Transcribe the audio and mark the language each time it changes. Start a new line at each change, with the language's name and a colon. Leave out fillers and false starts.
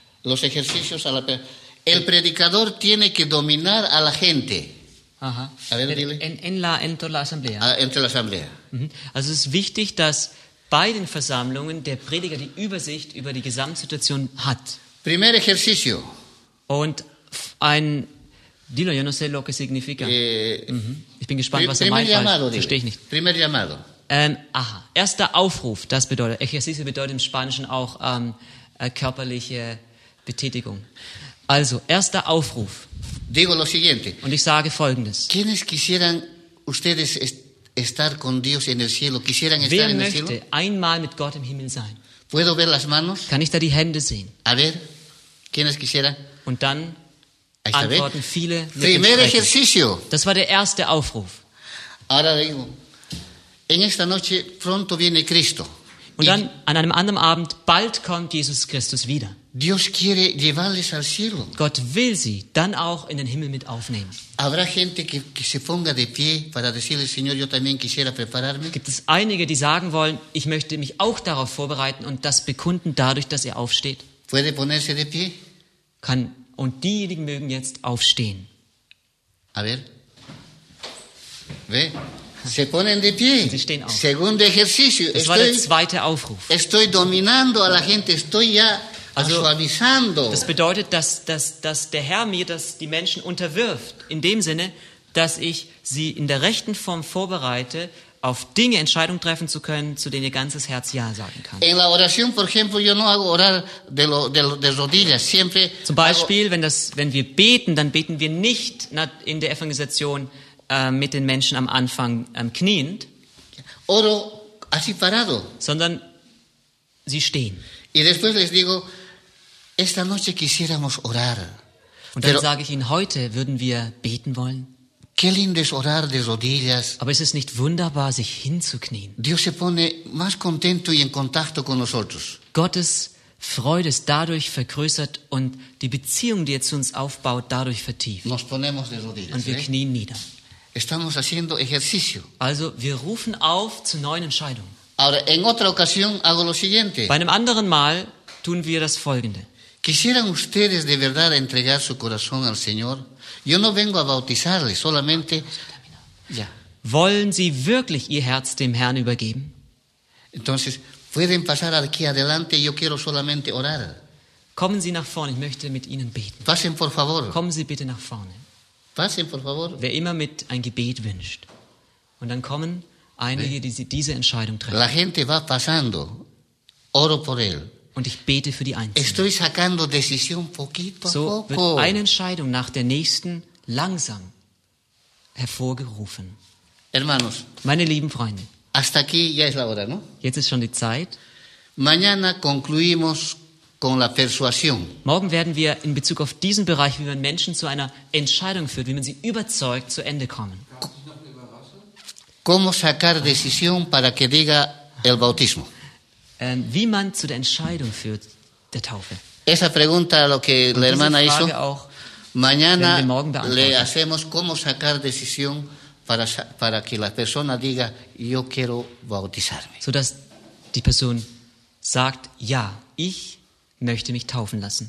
Spanish: Los ejercicios a la persona. El predicador tiene que dominar a la gente. Ajá. A ver, dile. Entre la asamblea.
German: Also es ist wichtig, dass bei den Versammlungen der Prediger die Übersicht über die Gesamtsituation hat.
Spanish: Primer ejercicio.
German: Und ein...
Spanish: Dilo, yo no sé lo que significa.
German: Ich bin gespannt, was er meint. Verstehe ich nicht.
Spanish: Primer llamado.
German: Erster Aufruf, das bedeutet. Ejercicio bedeutet im Spanischen auch körperliche Betätigung. Also, erster Aufruf.
Spanish: Digo lo siguiente.
German: Und ich sage Folgendes.
Spanish: ¿Quiénes quisieran ustedes estar con Dios en el cielo? ¿Quisieran estar en el cielo?
German: Wer möchte einmal mit Gott im Himmel sein?
Spanish: ¿Puedo ver las manos?
German: Kann ich da die Hände sehen?
Spanish: A ver. ¿Quiénes quisieran?
German: Und dann antworten viele mit dem Primer ejercicio. Das war der erste Aufruf.
Spanish: Ahora digo, en esta noche pronto viene Cristo.
German: Und dann an einem anderen Abend, bald kommt Jesus Christus wieder.
Spanish: Dios quiere llevarles al cielo.
German: Gott will sie dann auch in den Himmel mit aufnehmen.
Spanish: Habrá gente que se ponga de pie para decirle, Señor, yo también quisiera prepararme.
German: Gibt es einige, die sagen wollen, ich möchte mich auch darauf vorbereiten und das bekunden dadurch, dass er aufsteht?
Spanish: Puede ponerse de pie.
German: Kann, und diejenigen mögen jetzt aufstehen.
Spanish: A ver. Ve. Se ponen de pie.
German: Sie stehen auf.
Spanish: Segundo ejercicio.
German: Das war der zweite Aufruf.
Spanish: Estoy dominando a la gente. Estoy ya. Also,
German: das bedeutet, dass der Herr mir das, die Menschen unterwirft, in dem Sinne, dass ich sie in der rechten Form vorbereite, auf Dinge Entscheidungen treffen zu können, zu denen ihr ganzes Herz Ja sagen kann.
Spanish: En la oración, por ejemplo, yo no hago orar de rodillas, siempre.
German: Zum Beispiel, wenn wir beten, dann beten wir nicht in der Evangelisation mit den Menschen am Anfang kniend,
Spanish: oro así parado.
German: Sondern sie stehen.
Spanish: Y después les digo, esta noche quisiéramos orar.
German: Und dann sage ich Ihnen, heute würden wir beten wollen.
Spanish: Qué lindo es orar de rodillas.
German: Aber es ist nicht wunderbar, sich hinzuknien.
Spanish: Dios se pone más contento y en contacto con nosotros.
German: Gottes Freude ist dadurch vergrößert und die Beziehung, die er zu uns aufbaut, dadurch vertieft.
Spanish: Nos ponemos de rodillas,
German: und wir knien nieder.
Spanish: Estamos haciendo ejercicio.
German: Also wir rufen auf zu neuen Entscheidungen.
Spanish: Ahora, en otra ocasión, hago lo siguiente.
German: Bei einem anderen Mal tun wir das Folgende.
Spanish: Quisieran ustedes de verdad entregar su corazón al Señor? Yo no vengo a bautizarles, solamente...
German: Ja. Wollen Sie wirklich Ihr Herz dem Herrn übergeben?
Spanish: Entonces, pueden pasar aquí adelante, yo quiero solamente orar.
German: Kommen Sie nach vorne, ich möchte mit Ihnen beten.
Spanish: Pasen, por favor.
German: Kommen Sie bitte nach vorne.
Spanish: Pasen, por favor.
German: Wer immer mit ein Gebet wünscht. Und dann kommen... Einige, die diese Entscheidung treffen.
Spanish: La gente va pasando. Oro por él.
German: Und ich bete für die Einzelnen.
Spanish: Estoy sacando decisión poquito
German: so
Spanish: a poco.
German: Wird eine Entscheidung nach der nächsten langsam hervorgerufen.
Spanish: Hermanos,
German: meine lieben Freunde,
Spanish: hasta aquí ya es la hora, ¿no?
German: Jetzt ist schon die Zeit.
Spanish: Mañana concluimos con la persuasión.
German: Morgen werden wir in Bezug auf diesen Bereich, wie man Menschen zu einer Entscheidung führt, wie man sie überzeugt, zu Ende kommen.
Spanish: Cómo sacar decisión para que diga el bautismo.
German: Wie man zu der Entscheidung führt der Taufe.
Spanish: Esa pregunta lo que la hermana hizo.
German: Auch,
Spanish: mañana le hacemos cómo sacar decisión para que la persona diga yo quiero bautizarme.
German: So dass die Person sagt, ja, ich möchte mich taufen lassen.